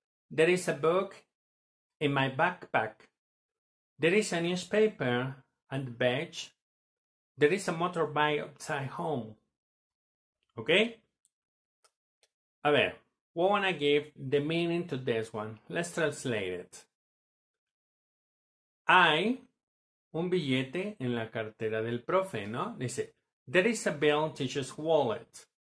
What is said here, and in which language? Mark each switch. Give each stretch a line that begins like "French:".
English: There is a book in my backpack. There is a newspaper and the bench. There is a motorbike outside home. Okay?
Spanish: A ver,
English: we want to give the meaning to this one. Let's translate it.
Spanish: Hay un billete en la cartera del profe, ¿no? Dice,
English: there is a bill in teacher's wallet.